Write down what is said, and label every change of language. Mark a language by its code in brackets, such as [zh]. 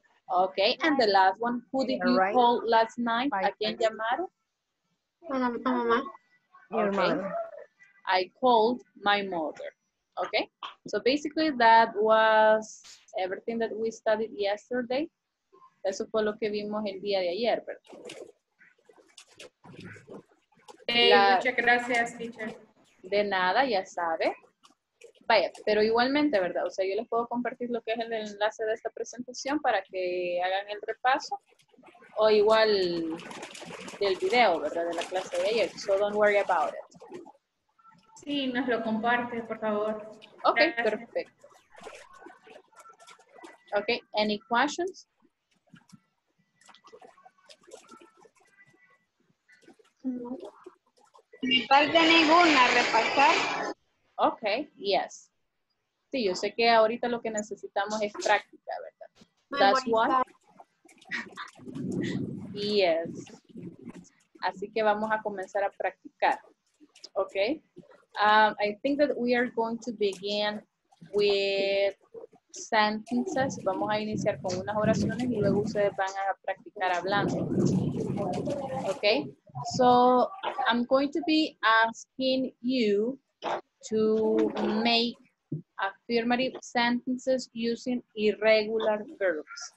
[en] Okay, and the last one, who did you call last night? [es] ¿A quién llamaron? A mamá. [en] Okay. I called my mother. Okay, so basically that was everything that we studied yesterday. [es] Eso fue lo que vimos el día de ayer, ¿verdad? Hey, muchas gracias, teacher. De nada, ya sabe. Vaya, pero igualmente, ¿verdad? O sea, yo les puedo compartir lo que es el enlace de esta presentación para que hagan el repaso. O igual del video, ¿verdad? De la clase de ayer. [en] So don't worry about it. [es] Sí, nos lo comparte, por favor. Ok, gracias. Perfecto. [en] Ok, any questions? [es] Falta ninguna, repasar. [en] Ok, yes. [es] Sí, yo sé que ahorita lo que necesitamos es práctica, ¿verdad? [en] That's what. [es] Yes. Así que vamos a comenzar a practicar. Ok. [en] I think that we are going to begin with sentences. [es] Vamos a iniciar con unas oraciones y luego ustedes van a practicar hablando. [en] Okay? So, I'm going to be asking you to make affirmative sentences using irregular verbs.